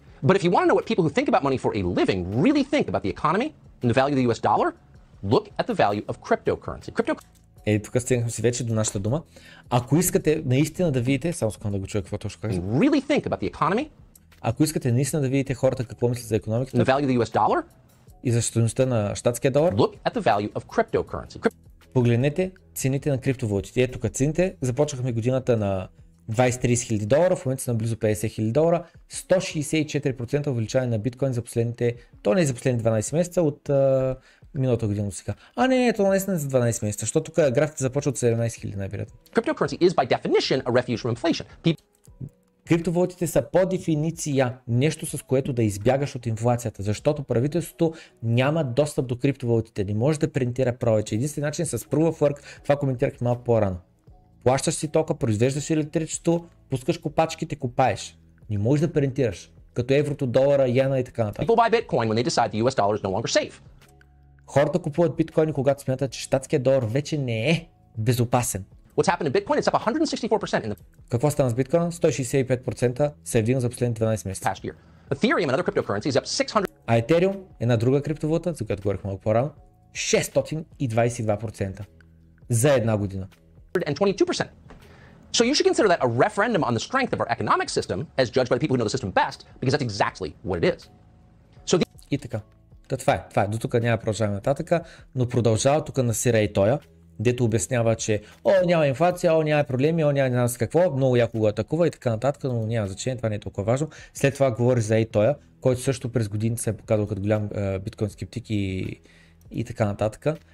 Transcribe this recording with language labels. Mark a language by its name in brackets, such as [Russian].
[English] But if you want to know what people who think about money for a living really think about the economy and the value of the US dollar, look at the value of cryptocurrency. [Bulgarian] Ето тук стигнахме си вече до нашата дума. Ако искате наистина да видите, само скъм да го чуя какво точно казвам. [English] Really think about the economy? [Bulgarian] Ако искате наистина да видите хората какво мислят за економиката, [English] the value of the US dollar? [Bulgarian] И за стойността на щатския долар? [English] Look at the value of cryptocurrency. [Bulgarian] Погледнете цените на криптовалутите. Ето тук цените, започнахме годината на 20-30 хиляди долара, в момента са на близо 50 хиляди долара, 164% увеличаване на биткоин за последните, то не за последните 12 месеца от миналата година до сега. А не, не, то не е за 12 месеца, защото тук графиката започва от 17 хиляди най-вероятно. [English] Cryptocurrency is by definition a refuge from inflation. [Bulgarian] Криптовалутите са по дефиниция нещо, с което да избягаш от инфлацията, защото правителството няма достъп до криптовалутите, не може да принтира повече. Единствен начин с proof of work, това коментирах малко по-рано. Плащаш си тока, произвеждаш електричество, пускаш копачките, копаеш. Не можеш да принтираш, като еврото, долара, йена и така нататък. [English] People buy Bitcoin when they decide the US dollar is no longer safe. [Bulgarian] Хората купуват биткоини, когато смятат, че щатският долар вече не е безопасен. [English] What's happened to Bitcoin? It's up 164% in the... [Bulgarian] Какво стана с биткоина? 165% се е вдигнал за последните 12 месеца. [English] Ethereum, another cryptocurrency, is up 600... [Bulgarian] А Ethereum, една друга криптовалута, за която говорих малко по-рано, 622% за една година. [English] And 22%. So you should consider that a referendum on the strength of our economic system as judged by the people who know the system best, because that's exactly what it is. So the... [Bulgarian] И така. Да, това е, това е. До тук няма да продължаваме нататък, но продължава тук на сира и тоя, дето обяснява, че о, няма инфлация, о, няма проблеми, о, няма не знам с какво, много яко го атакува и така нататък, но няма значение, това не е толкова важно. След това говори за и тоя, който също през годините се е показал като голям биткоин скептик и така нататък.